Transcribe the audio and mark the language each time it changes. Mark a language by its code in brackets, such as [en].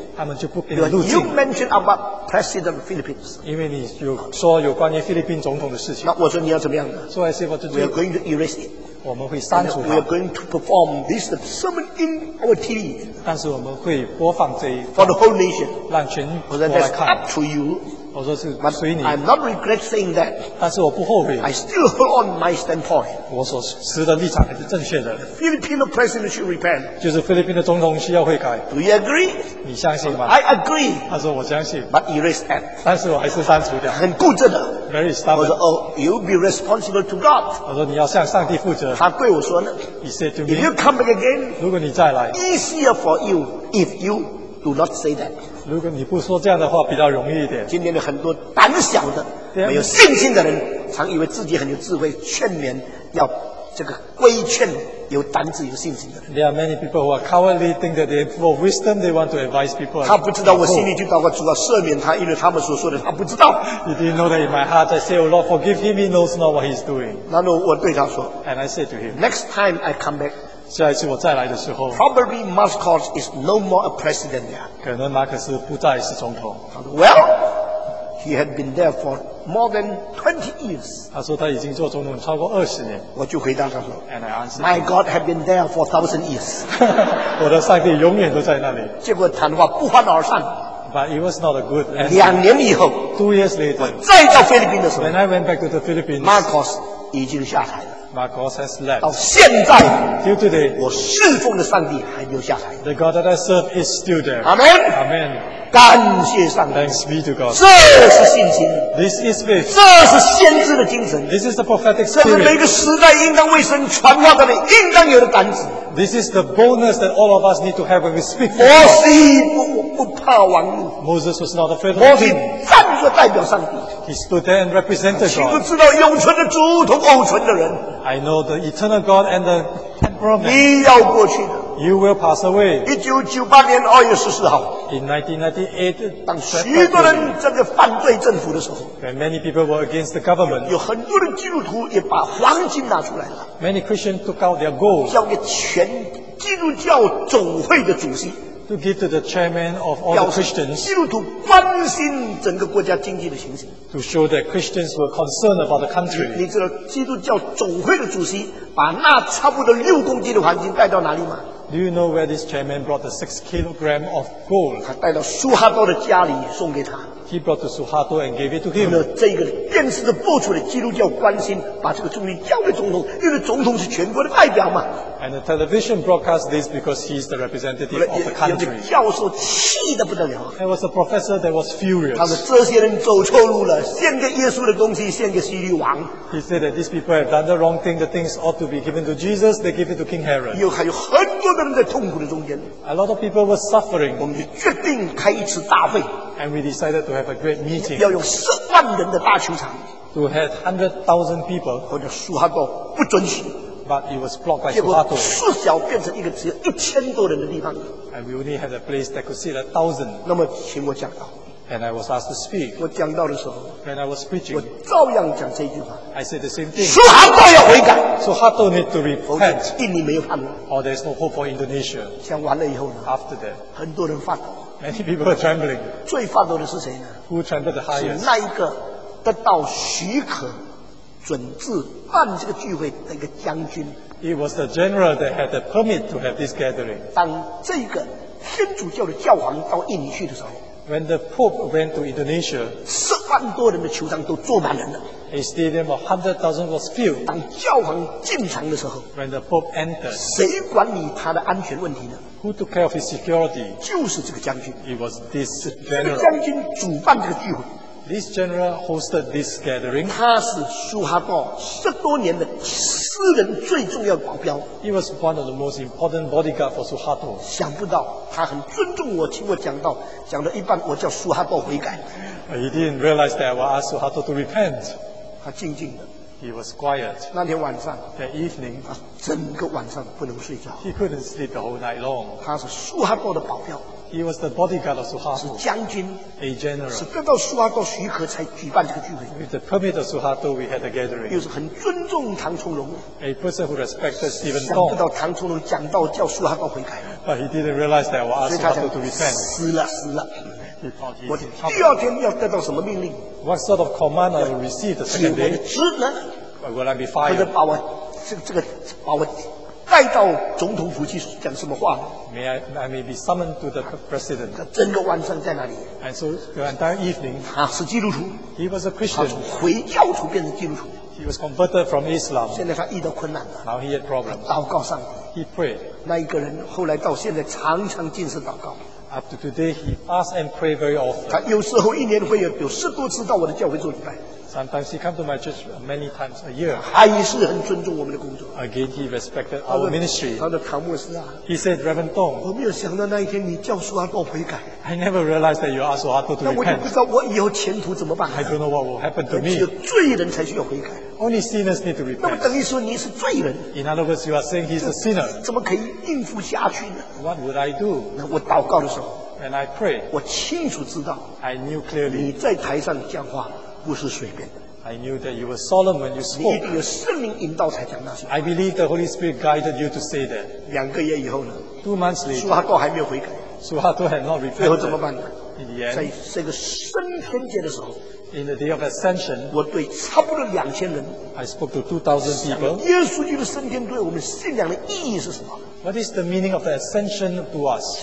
[zh] 他们就不给你录进 [en] You mentioned about President of Philippines [zh] 因为你有说有关于菲律宾总统的事情那我说你要怎么样 [en] So I say what to do We are going to erase it [zh] 我们会删除它。 [en] We are going to perform this sermon in our TV. [zh] 但是我们会播放这一。 [en] For the whole nation. [zh] 让全国来看。 [en] Well, that's up to you. [zh] 我说是随你。 [en] But I'm not regret saying that. [zh] 但是我不后悔。 [en] I still hold on my standpoint. [zh] 我所持的立场还是正确的。 [en] The Filipino president should repent. [zh] 就是菲律宾的总统需要悔改。 [en] Do you agree? [zh] 你相信吗 [en] ？I agree. [zh] 他说我相信。 [en] But erase that. [zh] 但是我还是删除掉。很固执的。 [en] Very stubborn. [zh] 我说 [en] Oh, you'll be responsible to God. [zh] 我说你要向上帝负责。他对我说呢 [en] ，He said to me, "If you come back again, [zh] 如果你再来 [en] ，easier for you if you do not say that." [zh] 如果你不说这样的话，比较容易一点。今天的很多胆小的、没有信心的人，常以为自己很有智慧，劝勉要这个规劝有胆子、有信心的人。 [en] There are many people who are cowardly, think that they full of wisdom, they want to advise people. [zh] 他不知道，我心里就祷告主啊，赦免他，因为他们所说的他不知道。 [en] He didn't know that in my heart I say, "Oh Lord, forgive him. He knows not what he's doing." [zh] 然后我对他说 [en] ，And I said to him, "Next time I come back." [zh] 下一次我再来的时候 [en] ，Probably Marcos is no more a president there. [zh] 可能马克思不再是总统。 [en] Well, he had been there for more than 20 years. [zh] 他说他已经做总统超过二十年。我就回答他说 [en] ，And I answered, "My God had been there for 1,000 years." [zh] 我的上帝永远都在那里。结果谈话不欢而散。 [en] But it was not a good answer. [zh] 两年以后 [en] ，Two years later, [zh] 我再到菲律宾的时候 [en] ，When I went back to the Philippines, [zh] Marcos 已经下台了。 [en] Marcos has left. [zh] 到现在 [en] ，till today, [zh] 我侍奉的上帝还没有下台。 [en] The God that I serve is still there. Amen. Amen. [zh] 感谢上帝。 [en] Thanks be to God. [zh] 这是信心。 [en] This is faith. [zh] 这是先知的精神。 [en] This is the prophetic spirit. [zh] 这是每个时代应当为神传话的人应当有的胆子。 [en] This is the boldness that all of us need to have when we speak. [zh] 摩西不怕王怒。 [en] Moses was not afraid of the king. [zh] 摩西站着代表上帝。 [en] He stood there and represented God. [zh] 清楚知道永存的主同永存的人。 [en] I know the eternal God and the temporal man. [zh] 你要过去的。 [en] You will pass away. [zh] 1998年2月14号。 [en] In 1998, [zh] 当许多人正在反对政府的时候。 [en] When many people were against the government. [zh] 有很多的基督徒也把黄金拿出来了。 [en] Many Christians took out their gold. [zh] 交给全基督教总会的主席。 [en] To give to the chairman of all the Christians. [zh] 基督徒关心整个国家经济的情形。 [en] To show that Christians were concerned about the country. [zh] 你知道基督教总会的主席把那差不多六公斤的黄金带到哪里吗？ [en] Do you know where this chairman brought the 6 kilogram of gold? [zh] 他带到苏哈多的家里送给他。 [en] He brought to 苏哈多 and gave it to him. [zh] 那这个电视的播出的基督教关心把这个注意交给总统，因为总统是全国的代表嘛。 [en] And the television broadcast this because he is the representative of the country. [zh] 有的教授气得不得了。 [en] There was a professor that was furious. [zh] 他说这些人走错路了，献给耶稣的东西献给希律王。 [en] He said that these people have done the wrong thing. The things ought to be given to Jesus. They give it to King Herod. [zh] 又还有很多的人在痛苦的中间。 [en] A lot of people were suffering. [zh] 我们就决定开一次大会。 [en] And we decided to have a great meeting. [zh] 要有十万人的大球场。 [en] To have 100,000 people. [zh] 或者苏哈多不准许。 [en] But it was blocked by 苏哈多。 [zh] 结果缩小变成一个只有一千多人的地方。 [en] And we only had a place that could seat 1,000. [zh] 那么，请我讲到。 [en] And I was asked to speak. [zh] 我讲到的时候。 [en] And I was preaching. [zh] 我照样讲这句话。 [en] I said the same thing. [zh] 苏哈多要悔改。 [en] 苏哈多 need to repent. [zh] 印尼没有盼望。 [en] Or there's no hope for Indonesia. [zh] 讲完了以后呢 [en] ？After that. [zh] 很多人发抖。 [en] Many people are trembling. [zh] 最发抖的是谁呢 [en] ？Who trembled the highest? [zh] 是那一个得到许可、准至办这个聚会的一个将军。 [en] It was the general that had the permit to have this gathering. [zh] 当这个天主教的教皇到印尼去的时候 [en] ，When the Pope went to Indonesia, [zh] 十万多人的球场都坐满人了。 [en] A stadium of 100,000 was filled. [zh] 当教皇进场的时候 [en] ，When the Pope entered, [zh] 谁管理他的安全问题呢？ [en] Who took care of his security? [zh] 就是这个将军。 [en] It was this general. [zh] 这个将军主办这个聚会。 [en] This general hosted this gathering. [zh] 他是苏哈多十多年的私人最重要保镖。 [en] He was one of the most important bodyguard for 苏哈多。 [zh] 想不到他很尊重我，听我讲到，讲到一半，我叫苏哈多悔改。 [en] He didn't realize that I asked 苏哈多 to repent. [zh] 他静静的。 [en] He was quiet. [zh] 那天晚上 [en] ，that evening， [zh] 他整个晚上不能睡觉。 [en] He couldn't sleep the whole night long. [zh] 他是苏哈多的保镖。 [en] He was the bodyguard of 苏哈多。 [zh] 是将军。 [en] A general. [zh] 是得到苏哈多许可才举办这个聚会。 [en] With the permit of 苏哈多 we had a gathering. [zh] 又是很尊重唐崇荣。 [en] A person who respected Stephen Tong. [zh] 想不到唐崇荣讲道叫苏哈多悔改。 [en] But he didn't realize that I asked 苏哈多 to repent. [zh] 死了，死了。我第二天要得到什么命令 [en] ？What sort of command I will receive the second day？ [zh] 指我的职呢 [en] ？Will I be fired？ [zh] 或者把我这个把我带到总统府去讲什么话 [en] ？May I be summoned to the president？ [zh] 整个晚上在那里 [en] ？And so the entire evening， [zh] 他是基督徒 [en] ，He was a Christian， [zh] 他从回教徒变成基督徒 [en] ，He was converted from Islam。 [zh] 现在他遇到困难了 [en] ，Now he had problems。 [zh] 祷告上帝 [en] ，He prayed。 [zh] 那一个人后来到现在常常进食祷告。 [en] Up to today, he fasts and prays very often. [zh] 他有时候一年会有十多次到我的教会做礼拜。 [en] Sometimes he comes to my church many times a year. [zh] 还是很尊重我们的工作。 [en] Again, he respected our ministry. [zh] 他的唐牧师啊。 [en] He said, Reverend Tong. [zh] 我没有想到那一天你叫苏哈多悔改。 [en] I never realized that you asked 苏哈多 to repent. [zh] 那我就不知道我以后前途怎么办。 [en] I don't know what will happen to me. [zh] 只有罪人才需要悔改。 [en] Only sinners need to repent. [zh] 那么等于说你是罪人。 [en] In other words, you are saying he's a sinner. [zh] 怎么可以应付下去呢？ [en] What would I do? [zh] 那我祷告的时候。 [en] And I pray. [zh] 我清楚知道。 [en] I knew clearly. [zh] 你在台上讲话。不是随便的。 [en] I knew that you were solemn when you spoke. [zh] 你一定有圣灵引导才讲那些。 [en] I believe the Holy Spirit guided you to say that. [zh] 两个月以后呢 [en] ？Two months later. [zh] 苏哈多还没有悔改。 [en] 苏哈多 had not repented. [zh] 最后怎么办呢 [en] ？In the end. [zh] 在这个升天节的时候 [en] ，In the day of ascension. [zh] 我对差不多两千人 [en] ，I spoke to 2,000 people. [zh] 耶稣基督升天对我们信仰的意义是什么 [en] ？What is the meaning of the ascension to us?